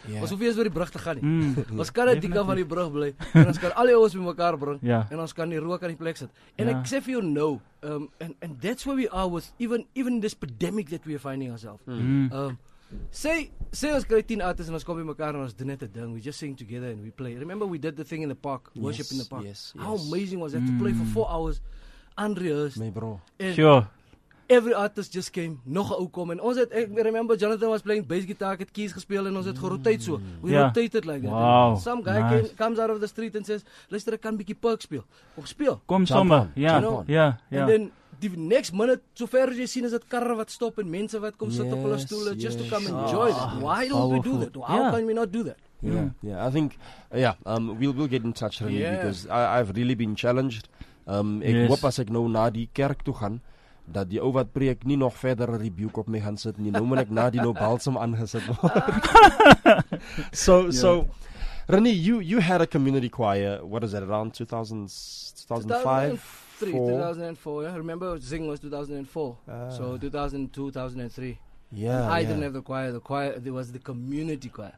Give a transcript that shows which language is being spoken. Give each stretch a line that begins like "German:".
Afrikaans: Ons hoef nie eens oor die brug te gaan nie. Mm. Ons kan net die kant van die brug bly. En ons kan al die ouens bymekaar bring.
English: Yeah.
Afrikaans: En ons kan die rook aan die plek sit. En ek sê vir jou nou.
English: And that's where we are with even this pandemic that we are finding ourselves. Mm.
Afrikaans: Sê ons kry 10 artists en ons kom bymekaar en ons doen net 'n ding.
English: We just sing together and we play. Remember we did the thing in the park. Yes, worship in the park. Yes, how amazing was that to play for 4 hours. Andreas, my bro. Sure. Every artist just came.
Afrikaans: Nog 'n ou kom en ons het, ek
English: remember Jonathan was playing bass guitar,
Afrikaans: ek het keys gespeel en ons het gerotate so.
English: We rotated like that. Wow. Some guy comes out of the street and says,
Afrikaans: "Luister, ek kan bietjie perk speel." Of speel. Kom sommer. Ja. Ja, ja.
English: And then
Afrikaans: die
English: next minute,
Afrikaans: so ver as jy sien, is dit karre wat stop en mense wat kom sit op hulle stoele
English: just to come enjoy that. Why don't we do that? How can we not do that? Yeah. I think we'll get in touch with you because I've really been challenged.
Afrikaans: Ek hoop as ek nou na die kerk toe gaan, dat die ou wat preek nie nog verder rebuke op my gaan sit nie. Nou moet ek na die balsam aangesit word.
English: So, Renee, you had a community choir, what is that, around 2004, yeah. Remember, Zing was 2004. So, 2002, 2003. Yeah, I didn't have the choir. The choir, it was the community choir.